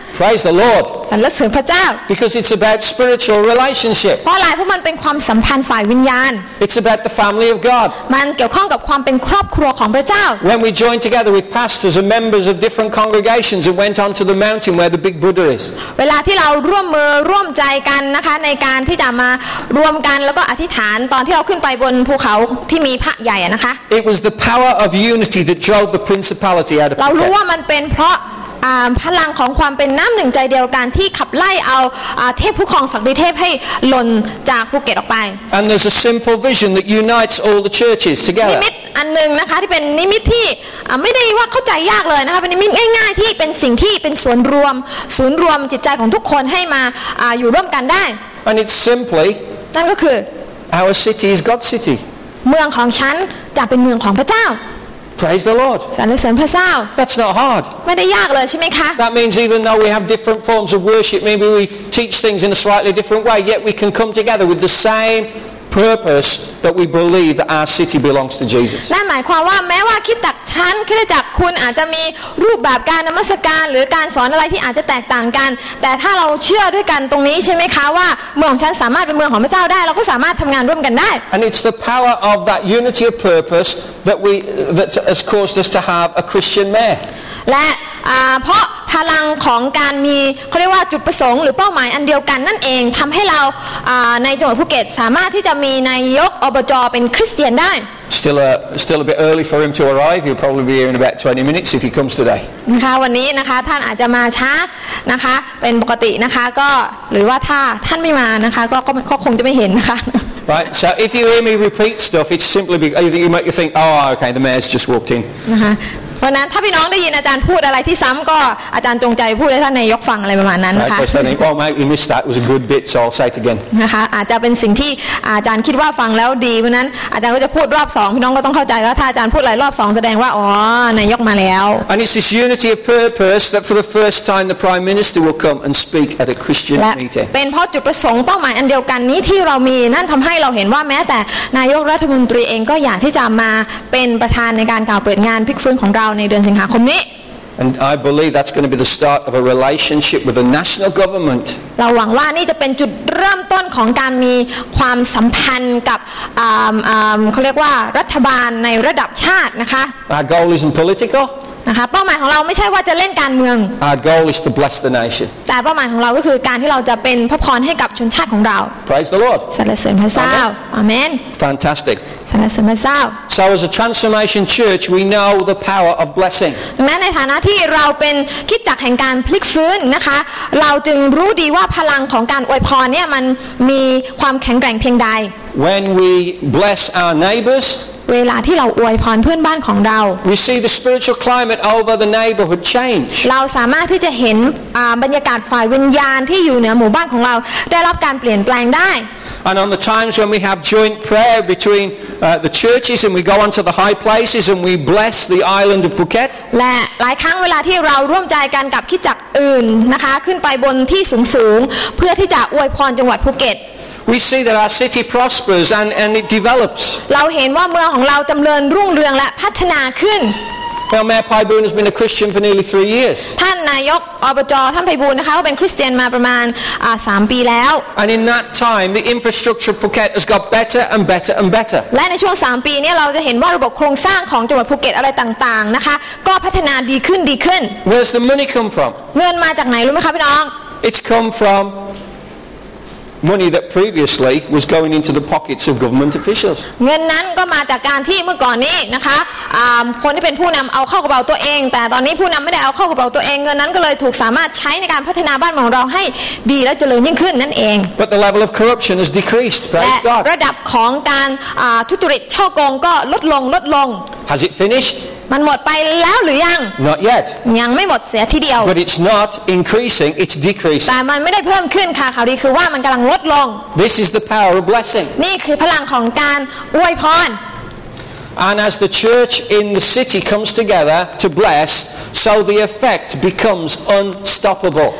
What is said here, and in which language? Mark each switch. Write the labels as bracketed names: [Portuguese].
[English] Praise the Lord. [Thai] สรรเสริญพระเจ้า [English] Because it's about spiritual relationship. [Thai] เพราะอะไรเพราะมันเป็นความสัมพันธ์ฝ่ายวิญญาณ [English] It's about the family of God. [Thai] มันเกี่ยวข้องกับความเป็นครอบครัวของพระเจ้า [English] When we join together with pastors and members of different congregations and went onto the mountain where the big Buddha is. [Thai] เวลาที่เราร่วมมือร่วมใจกันนะคะในการที่จะมารวมกันแล้วก็อธิษฐานตอนที่เราขึ้นไปบนภูเขาที่มีพระใหญ่นะคะ [English] It was the power of unity that drove the principality out of [Thai] เรารู้ว่ามันเป็นเพราะพลังของความเป็นน้ำหนึ่งใจเดียวกันที่ขับไล่เอาเทพผู้ครองศักดิ์เทพให้หล่นจากภูเก็ตออกไป [English] And there's a simple vision that unites all the churches together [Thai] นิมิตอันนึงนะคะที่เป็นนิมิตที่ไม่ได้ว่าเข้าใจยากเลยนะคะเป็นนิมิตง่ายๆที่เป็นสิ่งที่เป็นส่วนรวมศูนย์รวมจิตใจของทุกคนให้มาอยู่ร่วมกันได้ [English] And it's simply [Thai] นั่นก็คือ [English] Our city is God's city [Thai] เมืองของฉันจะเป็นเมืองของพระเจ้า [English] Praise the Lord. [Thai] สรรเสริญพระเจ้า [English] That's not hard. [Thai] ไม่ได้ยากเลยใช่ไหมคะ [English] That means even though we have different forms of worship, maybe we teach things in a slightly different way, yet we can come together with the same purpose that we believe that our city belongs to Jesus. [Thai] นั่นหมายความว่าแม้ว่าคิดจากฉันคิดจากคุณอาจจะมีรูปแบบการนมัสการหรือการสอนอะไรที่อาจจะแตกต่างกันแต่ถ้าเราเชื่อด้วยกันตรงนี้ใช่ไหมคะว่าเมืองฉันสามารถเป็นเมืองของพระเจ้าได้เราก็สามารถทำงานร่วมกันได้ [English] And it's the power of that unity of purpose that has caused us to have a Christian mayor. [Thai] และเพราะพลังของการมีเขาเรียกว่าจุดประสงค์หรือเป้าหมายอันเดียวกันนั่นเองทำให้เราในจังหวัดภูเก็ตสามารถที่จะมีนายกอบจเป็นคริสเตียนได้ [English] Still a bit early for him to arrive. He'll probably be here in about 20 minutes if he comes today. [Thai] นะคะวันนี้นะคะท่านอาจจะมาช้านะคะเป็นปกตินะคะก็หรือว่าถ้าท่านไม่มานะคะก็คงจะไม่เห็นนะคะ [English] Right. So if you hear me repeat stuff, it's simply because you might think, "Oh, okay, the mayor's just walked in." [Thai] นะคะวันนั้นถ้าพี่น้องได้ยินอาจารย์พูดอะไรที่ซ้ำก็อาจารย์จงใจพูดให้ท่านนายกฟังอะไรประมาณนั้นนะคะ [English] Right. Well, maybe you missed that. It was a good bit, so I'll say it again. [Thai] นะคะอาจจะเป็นสิ่งที่อาจารย์คิดว่าฟังแล้วดีเพราะนั้นอาจารย์ก็จะพูดรอบพี่น้องก็ต้องเข้าใจว่าถ้าอาจารย์พูดหลายรอบสองแสดงว่าอ๋อนายกมาแล้ว [English] And it's this unity of purpose that for the first time the Prime Minister will come and speak at a Christian meeting [Thai] เป็นเพราะจุดประสงค์เป้าหมายอันเดียวกันนี้ที่เรามีนั่นทำให้เราเห็นว่าแม้แต่นายกรัฐมนตรีเองก็อยากที่จะมาเป็นประธานในการกล่าวเปิดงานพิกฟื้นของเราในเดือนสิงหาคมนี้ [English] And I believe that's going to be the start of a relationship with the national government. [Thai] เราหวังว่านี่จะเป็นจุดเริ่มต้นของการมีความสัมพันธ์กับเขาเรียกว่ารัฐบาลในระดับชาตินะคะ [English] Our goal isn't political. [Thai] นะคะเป้าหมายของเราไม่ใช่ว่าจะเล่นการเมือง [English] Our goal is to bless the nation. [Thai] แต่เป้าหมายของเราก็คือการที่เราจะเป็นพระพรให้กับชนชาติของเรา [English] Praise the Lord. [Thai] สรรเสริญพระเจ้า Amen. [English] Fantastic. [Thai] สรรเสริญพระเจ้า [English] So as a transformation church we know the power of blessing [Thai] แม้ในฐานะที่เราเป็นคิดจักแห่งการพลิกฟื้นนะคะเราจึงรู้ดีว่าพลังของการอวยพรเนี่ยมันมีความแข็งแกร่งเพียงใด [English] When we bless our neighbors [Thai] เวลาที่เราอวยพรเพื่อนบ้านของเรา [English] We see the spiritual climate over the neighborhood change [Thai] เราสามารถที่จะเห็นบรรยากาศฝ่ายวิญญาณที่อยู่เหนือหมู่บ้านของเราได้รับการเปลี่ยนแปลงได้ [English] And on the times when we have joint prayer betweenthe churches and we go onto the high places and we bless the island of Phuket [Thai] และหลายครั้งเวลาที่เราร่วมใจกันกับคิดจักรอื่นนะคะขึ้นไปบนที่สูงสูงเพื่อที่จะอวยพรจังหวัดภูเก็ต [English] We see that our city prospers and it develops. [Thai] เราเห็นว่าเมืองของเราเจริญรุ่งเรืองและพัฒนาขึ้น [English] Well, Mayor Pai Boon has been a Christian for nearly 3 years. [Thai] ท่านนายกอบจ. ท่านไพบูลย์นะคะก็เป็นคริสเตียนมาประมาณ3ปีแล้ว [English] And in that time, the infrastructure of Phuket has got better and better and better. [Thai] และในช่วง3ปีนี้เราจะเห็นว่าระบบโครงสร้างของจังหวัดภูเก็ตอะไรต่างๆนะคะก็พัฒนาดีขึ้นดีขึ้น [English] Where's the money come from? [Thai] เงินมาจากไหนรู้ไหมคะพี่น้อง [English] It's come from money that previously was going into the pockets of government officials. [Thai] เงินนั้นก็มาจากการที่เมื่อก่อนนี้นะคะคนที่เป็นผู้นำเอาเข้ากระเป๋าตัวเองแต่ตอนนี้ผู้นำไม่ได้เอาเข้ากระเป๋าตัวเองเงินนั้นก็เลยถูกสามารถใช้ในการพัฒนาบ้านเมืองเราให้ดีและเจริญยิ่งขึ้นนั่นเอง [English] But the level of corruption has decreased. Praise God. [Thai] ระดับของการทุจริตช่อโกงก็ลดลง [English] Has it finished? [Thai] มันหมดไปแล้วหรือยัง [English] Not yet [Thai] ยังไม่หมดเสียทีเดียว [English] But it's not increasing it's decreasing [Thai] แต่มันไม่ได้เพิ่มขึ้นค่ะข่าวดีคือว่ามันกำลังลดลง [English] This is the power of blessing [Thai] นี่คือพลังของการอวยพร [English] And as the church in the city comes together to bless so the effect becomes unstoppable